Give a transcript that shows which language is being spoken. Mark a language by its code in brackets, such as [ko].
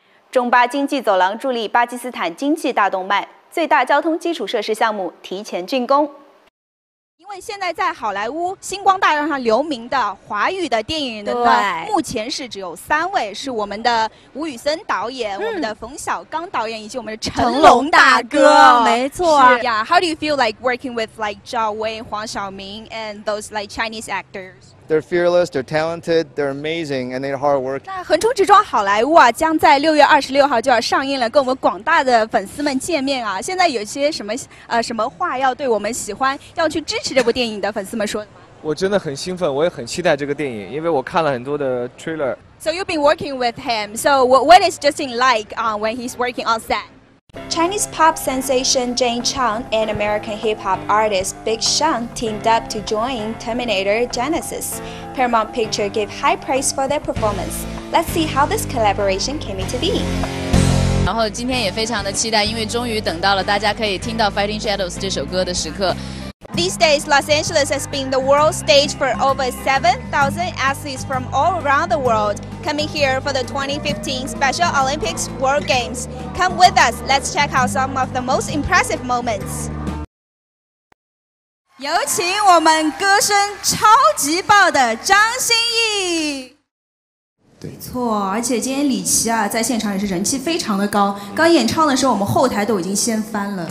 [zh] 中巴经济走廊助力巴基斯坦经济大动脉，最大交通基础设施项目提前竣工。因为现在在好莱坞星光大道上留名的华语的电影人呢，目前是只有三位，是我们的吴宇森导演、我们的冯小刚导演以及我们的成龙大哥。没错啊。 [en] Yeah, how do you feel like working with like Zhao Wei, Huang Xiaoming and those like Chinese actors? They're fearless, they're talented, they're amazing, and they're hard work. [zh] 那横冲直撞好莱坞啊，将在6月26号就要上映了，跟我们广大的粉丝们见面啊。现在有些什么什么话要对我们喜欢要去支持这部电影的粉丝们说的吗？我真的很兴奋，我也很期待这个电影，因为我看了很多的 trailer. [en] So you've been working with him. So what is Justin like when he's working on set? Chinese pop sensation Jane Chung and American hip-hop artist Big Sean teamed up to join Terminator Genesis. Paramount Picture gave high praise for their performance. Let's see how this collaboration came into being. [zh] 然后今天也非常的期待，因为终于等到了大家可以听到 Fighting Shadows 这首歌的时刻。 [en] These days, Los Angeles has been the world stage for over 7,000 athletes from all around the world coming here for the 2015 Special Olympics World Games. Come with us, let's check out some of the most impressive moments. [zh] 有请我们歌声超级爆的张歆艺。没错，而且今天李琦啊，在现场也是人气非常的高，刚演唱的时候我们后台都已经掀翻了。